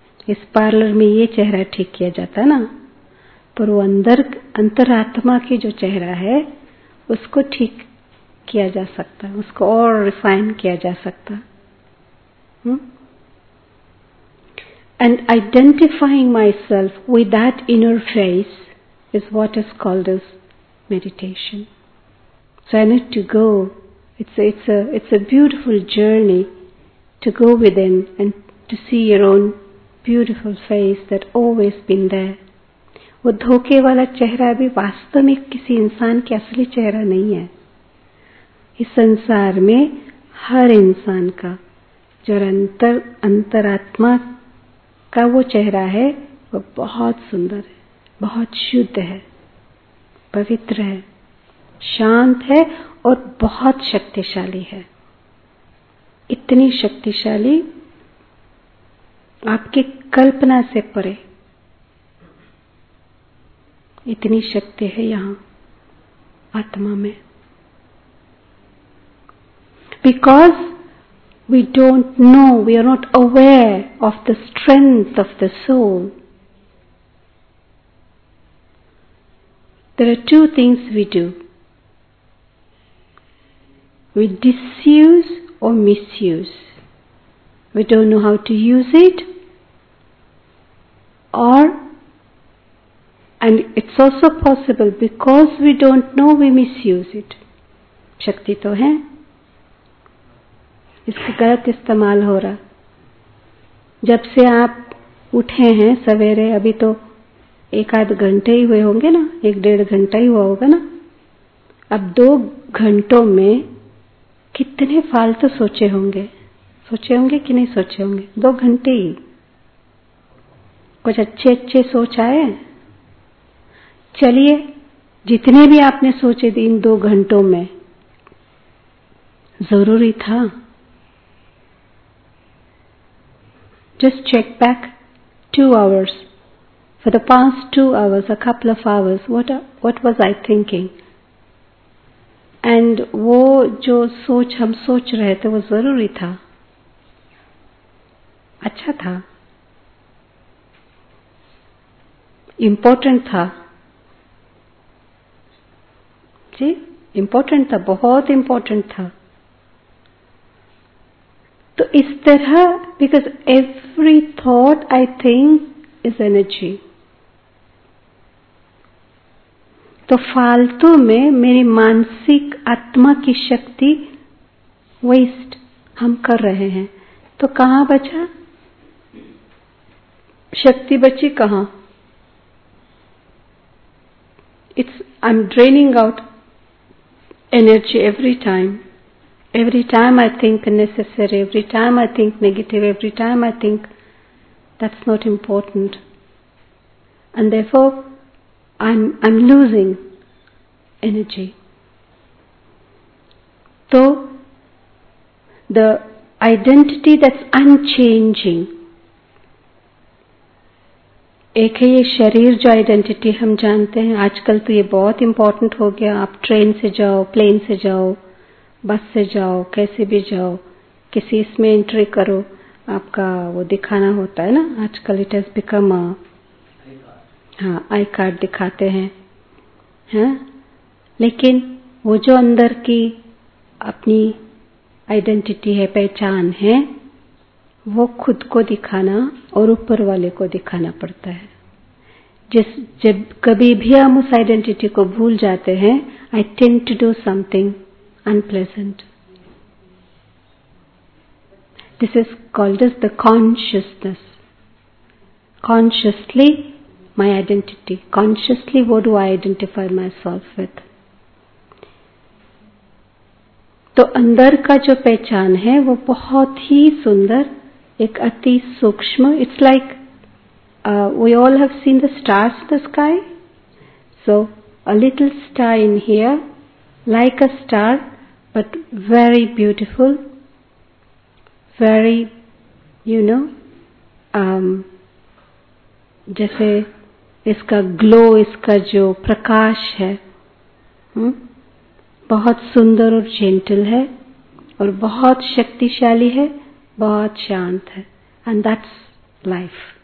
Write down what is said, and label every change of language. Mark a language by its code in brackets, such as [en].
[hi] इस पार्लर में ये चेहरा ठीक किया जाता है ना, पर वो अंदर अंतरात्मा की जो चेहरा है उसको ठीक किया जा सकता है, उसको और रिफाइन किया जा सकता है। [en] And identifying myself with that inner face is what is called as meditation. So I need to go. It's a beautiful journey to go within and to see your own beautiful face that always been there. [hi] वो धोखे वाला चेहरा भी वास्तव में किसी इंसान के असली चेहरा नहीं है। इस संसार में हर इंसान का जो अंतरात्मा का वो चेहरा है वो बहुत सुंदर है, बहुत शुद्ध है, पवित्र है, शांत है और बहुत शक्तिशाली है। इतनी शक्तिशाली आपकी कल्पना से परे इतनी शक्ति है यहां आत्मा में। [en] Because we don't know, we are not aware of the strength of the soul. There are two things we do, we disuse or misuse, we don't know how to use it, or and it's also possible because we don't know we misuse it. [hi] Shakti to hai, iska galat istemal ho raha jab se aap uthe hain savere, abhi to ek aadh ghante hi hue honge na, ek डेढ़ ghanta hi hua hoga na, ab 2 ghanton mein कितने फालतू सोचे होंगे, सोचे होंगे कि नहीं सोचे होंगे, 2 घंटे ही कुछ अच्छे अच्छे सोच आए। चलिए जितने भी आपने सोचे थे इन 2 घंटों में, जरूरी था. [en] Just check back 2 hours. For the past 2 hours, a couple of hours, what was I thinking? [hi] And वो जो सोच हम सोच रहे थे वो जरूरी था, अच्छा था, important था जी, important था, बहुत important था. तो इस तरह, [en] because every thought I think is energy. [hi] तो फालतू में मेरी मानसिक आत्मा की शक्ति वेस्ट हम कर रहे हैं. तो कहां बचा शक्ति, बची कहां? [en] It's I am draining out energy every time. Every time I think unnecessary, every time I think negative, every time I think that's not important. And therefore, I'm losing energy. So, the identity that's unchanging, [hi] एक है ये शरीर जो identity हम जानते हैं, आजकल तो ये बहुत important हो गया, आप train से जाओ, plane से जाओ, बस से जाओ, कैसे भी जाओ, किसी इसमें एंट्री करो, आपका वो दिखाना होता है ना, आजकल [en] it has become I card [hi] दिखाते हैं, हाँ? लेकिन वो जो अंदर की अपनी आइडेंटिटी है, पहचान है, वो खुद को दिखाना और ऊपर वाले को दिखाना पड़ता है. जिस जब कभी भी हम उस आइडेंटिटी को भूल जाते हैं, [en] I tend to do something unpleasant. This is called as the consciousness. Consciously, my identity. Consciously, what do I identify myself with? [hi] तो अंदर का जो पहचान है वो बहुत ही सुंदर, एक अति सूक्ष्म. [en] It's like we all have seen the stars in the sky. So a little star in here, like a star. But very beautiful, very, you know, [hi] जैसे इसका glow, इसका जो प्रकाश है, बहुत सुंदर और gentle है, और बहुत शक्तिशाली है, बहुत शांत है, [en] and that's life.